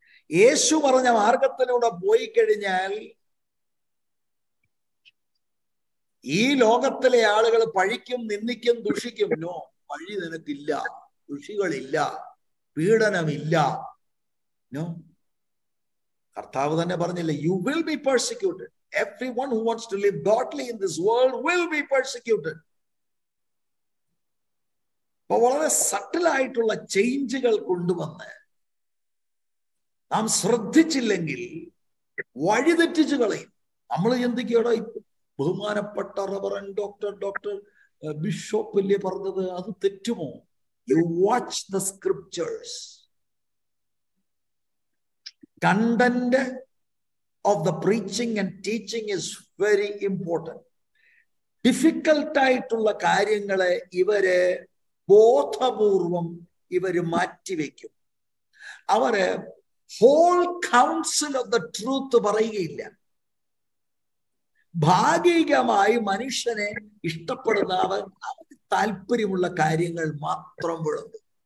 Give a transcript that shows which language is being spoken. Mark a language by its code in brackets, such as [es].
[ml] യേശു പറഞ്ഞ മാർഗത്തിലൂടെ പോയി കഴിഞ്ഞാൽ ഈ ലോകത്തിലെ ആളുകൾ പഴിക്കും, നിന്ദിക്കും, ദുഷിക്കും. നോ, വഴി നിനക്കില്ല, ദുഷികളില്ല, പീഡനമില്ല. നോ, കർത്താവ് തന്നെ പറഞ്ഞില്ലേ, [en] You will be persecuted. Everyone who wants to live godly in this world will be persecuted. [ml] But വളരെ സട്ടിൽ ആയിട്ടുള്ള ചേഞ്ചുകൾ കൊണ്ടുവന്ന് നാം ശ്രദ്ധിച്ചില്ലെങ്കിൽ വഴിതെറ്റിച്ചു കളയും. നമ്മൾ ചിന്തിക്കുകയാണോ, ബഹുമാനപ്പെട്ട റവറൻ ഡോക്ടർ ഡോക്ടർ ബിഷപ്പ് ഇല്ലേ പറഞ്ഞത്, അത് തെറ്റുമോ? [en] You watch the scriptures. Content of the preaching and teaching is very important. [ml] Difficult ആയിട്ടുള്ള കാര്യങ്ങളെ ഇവര് ബോധപൂർവം ഇവര് മാറ്റിവെക്കും. അവര് [en] whole council of the truth [ml] പറയുകയില്ല. ഭാഗികമായി മനുഷ്യനെ ഇഷ്ടപ്പെടുന്ന താല്പര്യമുള്ള കാര്യങ്ങൾ മാത്രം വിളന്നു.